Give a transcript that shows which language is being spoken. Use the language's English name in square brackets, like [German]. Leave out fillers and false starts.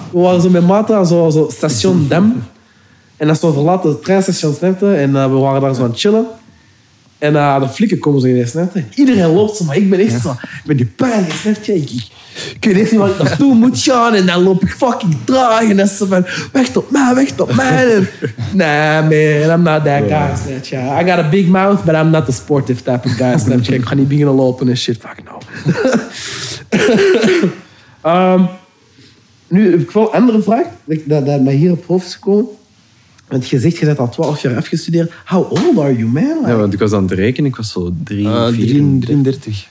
[Dutch] We waren zo met Marta aan zo station Dem. En dat is zo'n verlaten treinstation. Snapte. En we waren daar zo aan het chillen. En de flikken komen zo ineens. Snapte. Iedereen loopt zo, maar ik ben echt zo. Ik ben die pijn. Snapte. Ik weet echt niet waar ik naartoe moet gaan. En dan loop ik fucking traag. En dan is ze van, weg tot mij. [English] Nah, man, I'm not that guy. [Dutch] Snapte. [English] I got a big mouth, but I'm not the sportive type of guy. [Dutch] Snapte. Ik ga niet beginnen lopen en shit. Fuck no. nu heb ik wel een andere vraag dat mij hier op hoofd is gekomen. Want je zegt, je bent al 12 jaar afgestudeerd. [English] How old are you, man? [Dutch] Like? Ja, want ik was aan het rekenen. Ik was zo 33.